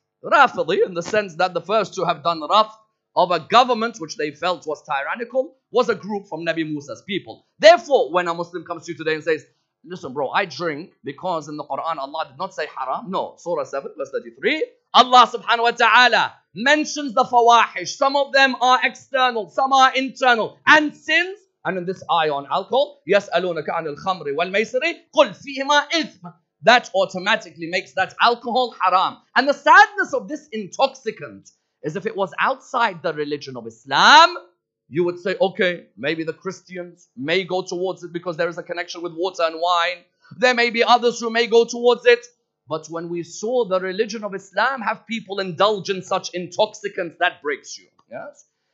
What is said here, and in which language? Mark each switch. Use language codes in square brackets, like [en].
[en] Rafidi, in the sense that the first two have done raf of a government which they felt was tyrannical, was a group from Nabi Musa's people. Therefore, when a Muslim comes to you today and says, listen bro, I drink because in the Quran Allah did not say haram. No, Surah 7 verse 33, Allah subhanahu wa ta'ala mentions the fawahish. Some of them are external, some are internal, and sins. And in this ayah on alcohol, [ar] يَسْأَلُونَكَ عَنِ الْخَمْرِ وَالْمَيْسِرِ قُلْ فِيهِمَا إِثْمٌ. [en] That automatically makes that alcohol haram. And the sadness of this intoxicant is if it was outside the religion of Islam, you would say, okay, maybe the Christians may go towards it because there is a connection with water and wine. There may be others who may go towards it. But when we saw the religion of Islam have people indulge in such intoxicants, that breaks you. Yes.